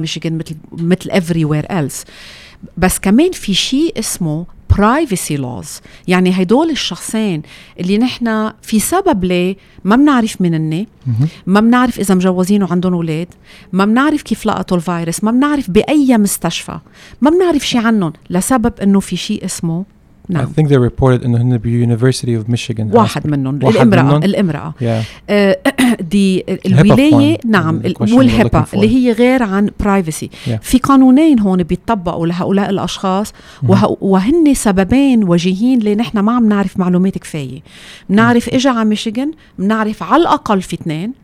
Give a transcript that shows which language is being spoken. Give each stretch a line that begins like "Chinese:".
Arabic: ميشيغان مثل
English: everywhere else
Arabic: بس كمان في شيء اسمه privacy laws يعني هيدول الشخصين اللي نحنا في سبب ليه ما بنعرف من إني ما بنعرف إذا مجوزين وعندهم أولاد ما بنعرف كيف لقطوا الفيروس ما بنعرف بأي مستشفى ما بنعرف شيء عنهم لسبب إنه في شيء اسمه نعم.
English: I think they reported in the University of Michigan.
Arabic: واحد منهم الإمرأة.
English: Yeah.
Arabic: دي الولاية نعم والهيبا اللي هي غير عن privacy.
English: Yeah.
Arabic: في قانونين هون بيتطبقوا لهؤلاء الأشخاص وهن سببين وجهين لأن نحن ما عم نعرف معلومات كفاية. بنعرف إجا على ميشيغان بنعرف على الأقل في 2